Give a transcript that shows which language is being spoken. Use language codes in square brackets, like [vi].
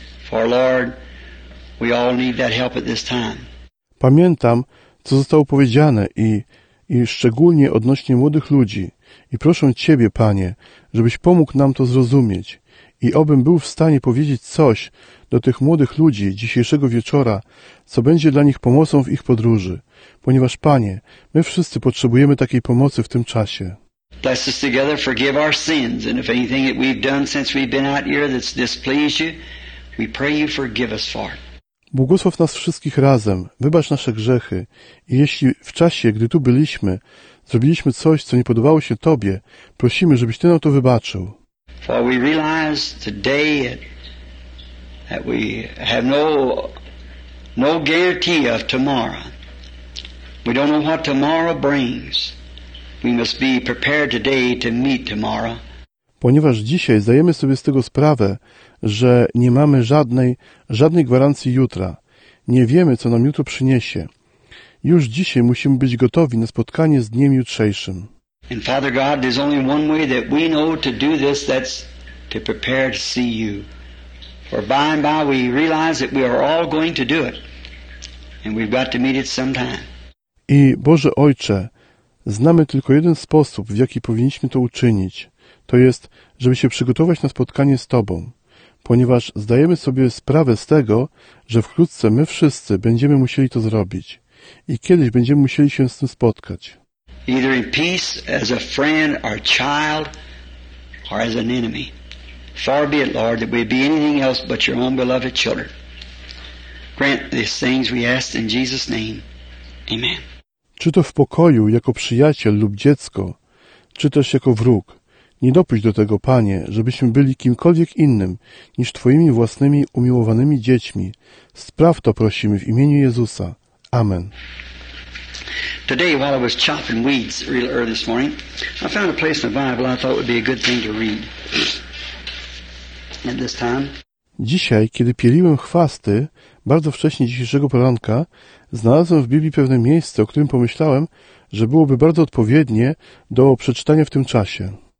[en] For Lord, we all need that help at this time. [pl] Pamiętam, co zostało powiedziane i szczególnie odnośnie młodych ludzi. I proszę Ciebie, Panie, żebyś pomógł nam to zrozumieć. I obym był w stanie powiedzieć coś do tych młodych ludzi dzisiejszego wieczora, co będzie dla nich pomocą w ich podróży. Ponieważ, Panie, my wszyscy potrzebujemy takiej pomocy w tym czasie. [en] Bless us together, forgive our sins, and if anything that we've done since we've been out here that's displeased you, we pray you forgive us for it. [pl] Błogosław nas wszystkich razem, wybacz nasze grzechy i jeśli w czasie, gdy tu byliśmy, zrobiliśmy coś, co nie podobało się Tobie, prosimy, żebyś Ty nam to wybaczył. [en] For we realize today that we have no guarantee of tomorrow. We don't know what tomorrow brings. We must be prepared today to meet tomorrow. [pl] Ponieważ dzisiaj zdajemy sobie z tego sprawę, że nie mamy żadnej gwarancji jutra. Nie wiemy, co nam jutro przyniesie. Już dzisiaj musimy być gotowi na spotkanie z dniem jutrzejszym. [en] And Father God, there's only one way that we know to do this, that's to prepare to see you. For by and by we realize that we are all going to do it. And we've got to meet it sometime. [pl] I Boże Ojcze, znamy tylko jeden sposób, w jaki powinniśmy to uczynić. To jest, żeby się przygotować na spotkanie z Tobą, ponieważ zdajemy sobie sprawę z tego, że wkrótce my wszyscy będziemy musieli to zrobić i kiedyś będziemy musieli się z tym spotkać. [en] Either in peace as a friend or child or as an enemy. Far be it, Lord, that we be anything else but your own beloved children. Grant these things we ask in Jesus' name. Amen. [pl] Czy to w pokoju, jako przyjaciel lub dziecko, czy też jako wróg. Nie dopuść do tego, Panie, żebyśmy byli kimkolwiek innym niż Twoimi własnymi umiłowanymi dziećmi. Spraw to, prosimy, w imieniu Jezusa. Amen. [en] Today, while I was chopping weeds real early this morning, I found a place in the Bible I thought would be a good thing to read. At this time. [pl] Dzisiaj, kiedy pieliłem chwasty, bardzo wcześnie dzisiejszego poranka, znalazłem w Biblii pewne miejsce, o którym pomyślałem, że byłoby bardzo odpowiednie do przeczytania w tym czasie.